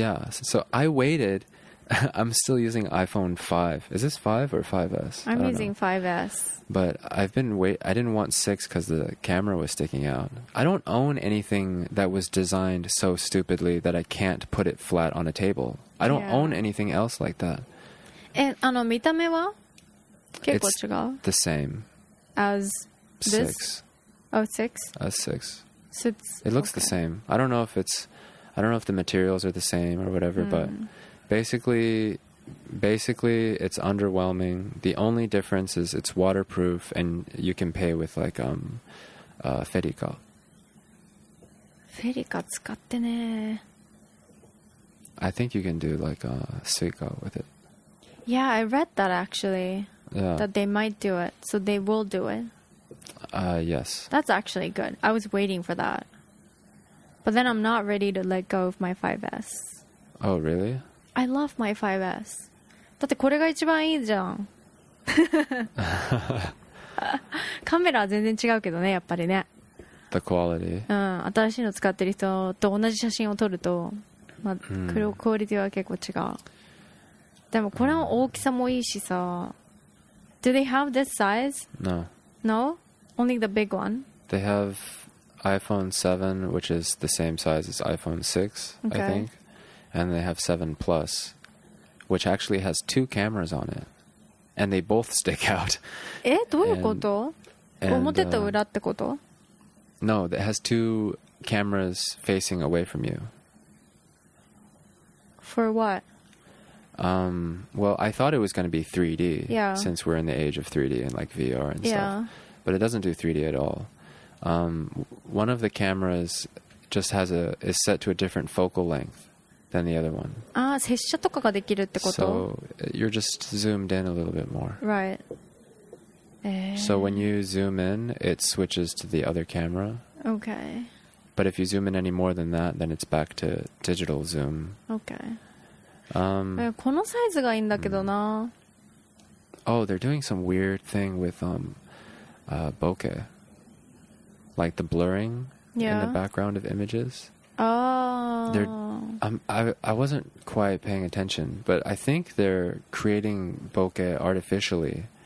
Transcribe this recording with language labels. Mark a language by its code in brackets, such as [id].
[en] So I waited. I'm still using iPhone 5. Is this 5 or 5S? I'm using 5S. But I've been I didn't want 6 because the camera was sticking out. I don't own anything that was designed so stupidly that I can't put it flat on a table. I don't own anything else like that. [ja] え、あの見た目は結構違う? [en] It's the same. As this? 6. Oh, 6? As 6. So it looks the same. I don't know if the materials are the same or whatever, but... Basically, Basically, it's underwhelming. The only difference is it's waterproof and you can pay with like Ferica. [ja] Ferica 使ってね。 [en] I think you can do like Suica with it. Yeah, I read that actually. Yeah. That they might do it. So they will do it. Yes. That's actually good. I was waiting for that. But then I'm not ready to let go of my 5S. Oh, really? I love my 5S. [ja] だってこれが一番いいじゃん。カメラは全然違うけどね、やっぱりね。 [en] The quality. [ja] うん、新しいの使ってる人と同じ写真を撮ると、まあ、これをクオリティは結構違う。でもこれの大きさもいいしさ。 [en] Do they have this size? No. No? Only the big one? They have iPhone 7, which is the same size as iPhone 6, okay. I think. And they have 7 Plus, which actually has two cameras on it. And they both stick out. [ja] え、どういうこと？表と裏ってこと？ [en] No, it has two cameras facing away from you. For what? Well, I thought it was going to be 3D. Yeah. Since we're in the age of 3D and like VR and yeah. stuff. But it doesn't do 3D at all. One of the cameras just has a is set to a different focal length than the other one. [ja] Ah, 接写とかができるってこと? [en] So you're just zoomed in a little bit more. Right. So when you zoom in, it switches to the other camera. Okay. But if you zoom in any more than that, then it's back to digital zoom. Okay. [ja] このサイズがいいんだけどな。 [en] Oh, they're doing some weird thing with bokeh. Like the blurring yeah. in the background of images. Oh. I wasn't quite paying attention, but I think they're creating bokeh artificially.